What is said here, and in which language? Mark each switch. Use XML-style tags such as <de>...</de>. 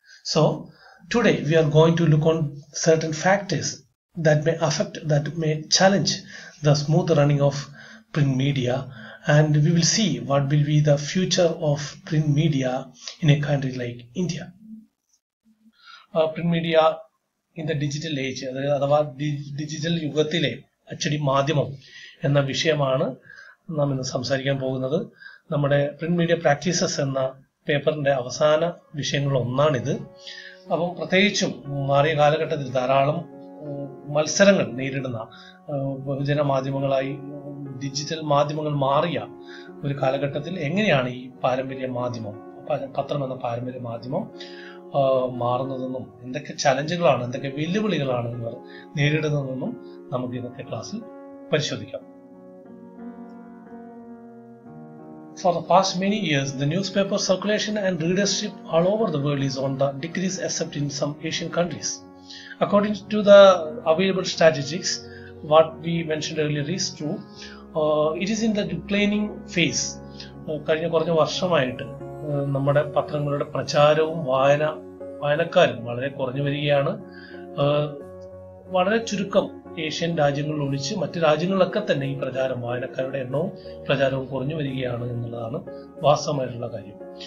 <en>So today we are going to look on certain factors that may challenge the smooth running of print media, and we will see what will be the future of print media in a country like India. Print media in the digital age,</en> <ml>അഥവാ digital യുഗത്തിലെ അച്ചടി മാധ്യമം എന്ന വിഷയമാണ് നാം ഇന്ന് സംസാരിക്കാൻ പോകുന്നത്. നമ്മുടെ പ്രിന്റ് മീഡിയ പ്രാക്ടീസസ് എന്ന പേപ്പറിൻ്റെ അവസാന വിഷയങ്ങളൊന്നാണിത്. അപ്പം പ്രത്യേകിച്ചും മാറിയ കാലഘട്ടത്തിൽ ധാരാളം മത്സരങ്ങൾ നേരിടുന്ന ബഹുജന മാധ്യമങ്ങളായി ഡിജിറ്റൽ മാധ്യമങ്ങൾ മാറിയ ഒരു കാലഘട്ടത്തിൽ എങ്ങനെയാണ് ഈ പാരമ്പര്യ മാധ്യമം, പത്രം എന്ന പാരമ്പര്യ മാധ്യമം മാറുന്നതെന്നും എന്തൊക്കെ ചലഞ്ചുകളാണ്, എന്തൊക്കെ വെല്ലുവിളികളാണ് ഇവർ നേരിടുന്നതെന്നും നമുക്ക് ഇന്നത്തെ ക്ലാസ്സിൽ പരിശോധിക്കാം.</ml> <en>For the past many years, the newspaper circulation and readership all over the world is on the decrease, except in some Asian countries. According to the available statistics, what we mentioned earlier is true. It is in the declining phase.</en> <ml>കഴിഞ്ഞ കുറഞ്ഞ വർഷമായിട്ട് നമ്മുടെ പത്രങ്ങളുടെ പ്രചാരവും വായനക്കാരും വളരെ കുറഞ്ഞു വരികയാണ്. വളരെ ചുരുക്കം Asian രാജ്യങ്ങളിൽ ഒഴിച്ച് മറ്റ് രാജ്യങ്ങളിലൊക്കെ തന്നെ ഈ പ്രചാരം, വായനക്കാരുടെ എണ്ണവും പ്രചാരവും കുറഞ്ഞു വരികയാണ് എന്നുള്ളതാണ് വാസ്തവമായിട്ടുള്ള കാര്യം.</ml>